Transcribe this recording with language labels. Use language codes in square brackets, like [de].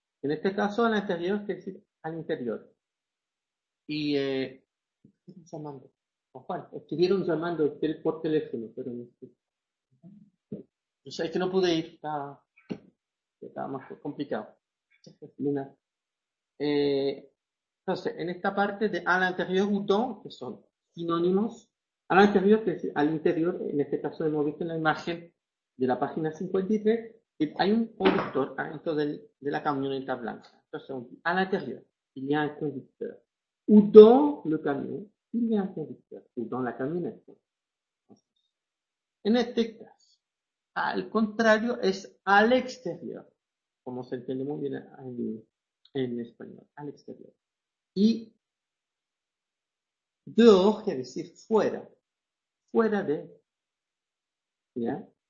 [es] En este caso, [fr] à l'intérieur, [es] ¿qué es à l'intérieur? Y, llamando. Juan, estuvieron llamando por teléfono, pero no sé. O sea, es que no pude ir, estaba más complicado. Mira. Entonces, en esta parte de al interior [fr] ou dans, [es] que son sinónimos, al interior, que es al interior, en este caso hemos visto en la imagen de la página 53, que hay un conductor dentro de la camioneta blanca. Entonces, [fr] on dit, [es] al interior, [fr] il y a un conducteur. Ou dans le camión, il y a un conducteur. Ou dans la camioneta. [es] En este caso, al contrario, es al exterior, como se entiende muy bien ahí. En español, al exterior. Y dehors, quiere decir fuera. Fuera de. ¿Ya?